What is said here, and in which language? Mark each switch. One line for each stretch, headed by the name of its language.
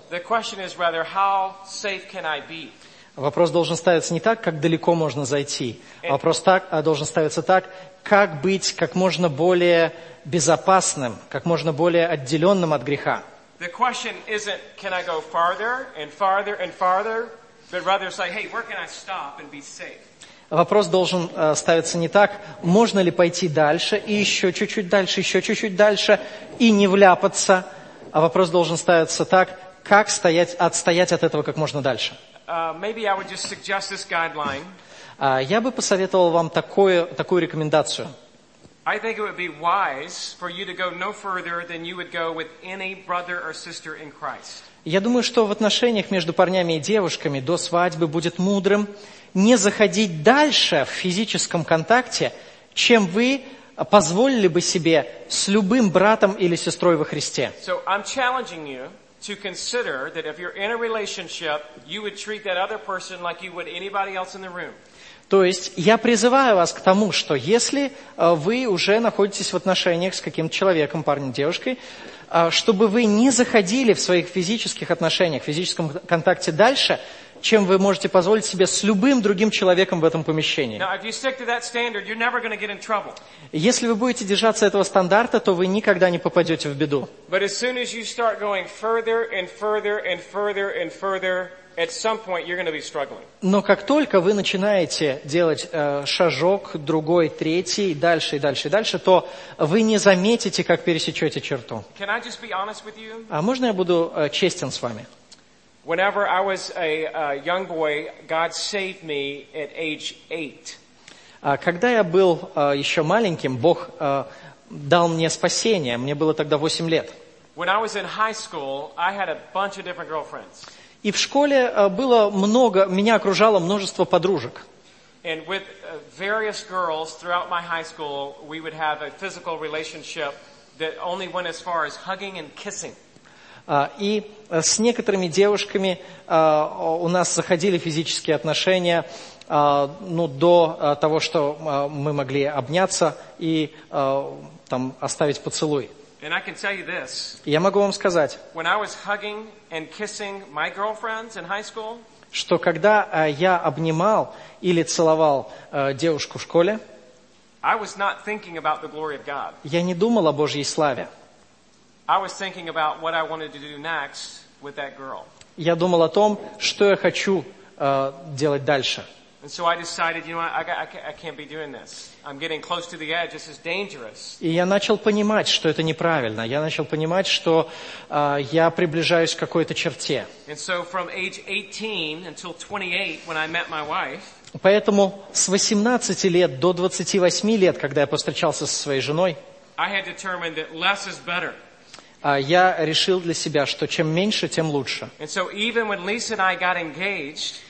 English: The question is rather, how safe can I be?
Russian: Вопрос должен ставиться не так, как далеко можно зайти. And вопрос так, должен ставиться так, как быть как можно более безопасным, как можно более отделенным от греха.
English: The question isn't, can I go farther and farther and farther, but rather say, hey, where can I stop and be safe?
Russian: Вопрос должен ставиться не так, можно ли пойти дальше, и еще чуть-чуть дальше, еще чуть-чуть дальше, и не вляпаться. А вопрос должен ставиться так, как отстоять от этого как можно дальше.
English: Maybe I would just suggest this guideline.
Russian: Я бы посоветовал вам такую рекомендацию.
English: I think it would be wise for you to go no further than you would go with any brother or sister in Christ.
Russian: Я думаю, что в отношениях между парнями и девушками до свадьбы будет мудрым не заходить дальше в физическом контакте, чем вы позволили бы себе с любым братом или сестрой во Христе.
English: So I'm challenging you to consider that if you're in a relationship, you would treat that other person like you would anybody else in the room.
Russian: То есть я призываю вас к тому, что если вы уже находитесь в отношениях с каким-то человеком, парнем, девушкой, чтобы вы не заходили в своих физических отношениях, в физическом контакте дальше, чем вы можете позволить себе с любым другим человеком в этом помещении.
English: Now, if you stick to that standard, you're never going to get in trouble.
Russian: Если вы будете держаться этого стандарта, то вы никогда не попадете в беду.
English: But as soon as you start going further and further and further and further, At some point you're going to be struggling.
Russian: Но как только вы начинаете делать шажок, другой, третий, дальше и дальше и дальше, то вы не заметите, как пересечете черту.
English: Can I just be honest with you?
Russian: А можно я буду честен с вами?
English: Whenever I was a young boy, God saved me at age 8.
Russian: Когда я был еще маленьким, Бог дал мне спасение. Мне было тогда 8 лет.
English: When I was in high school, I had a bunch of different girlfriends.
Russian: И в школе было много, меня окружало множество подружек.
English: And with various girls throughout my high school, we would have a physical relationship that only went as far as hugging and kissing.
Russian: И с некоторыми девушками у нас заходили физические отношения, ну, до того, что мы могли обняться и там оставить поцелуй.
English: And I can tell you this.
Russian: Я могу вам сказать,
English: when I was hugging and kissing my girlfriends in high school,
Russian: что когда я обнимал или целовал девушку в школе,
English: I was not thinking about the glory of God.
Russian: Я не думал о Божьей славе.
English: I was thinking about what I wanted to do next with that girl.
Russian: Я думал о том, что я хочу делать дальше.
English: And so I decided, you know, I can't be doing this. I'm getting close to the edge. This is dangerous.
Russian: И я начал понимать, что это неправильно. Я начал понимать, что я приближаюсь к какой-то черте.
English: And so from age 18 until 28, when I met my wife.
Russian: Поэтому с 18 лет до 28 лет, когда я повстречался со своей женой,
English: I had determined that less is better.
Russian: Я решил для себя, что чем меньше, тем лучше.
English: And so even when Lisa and I got engaged.